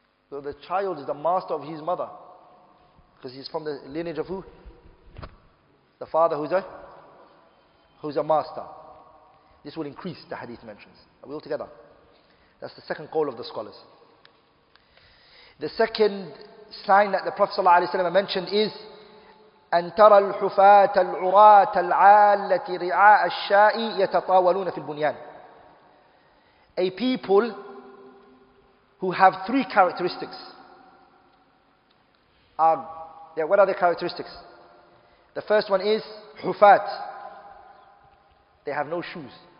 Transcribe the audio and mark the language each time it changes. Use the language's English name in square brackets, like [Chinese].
[English] So the child is the master of his mother, because he's from the lineage of who? The father who's a master. This will increase, the hadith mentions. Are we all together? That's the second call of the scholars. The second sign that the Prophet ﷺ mentioned is [Arabic] أن ترى الحفاة العراة العالة رعاء الشاء يتطاولون في البنيان. [English] A people who have three characteristics. What are the characteristics? The first one is Hufat. They have no shoes.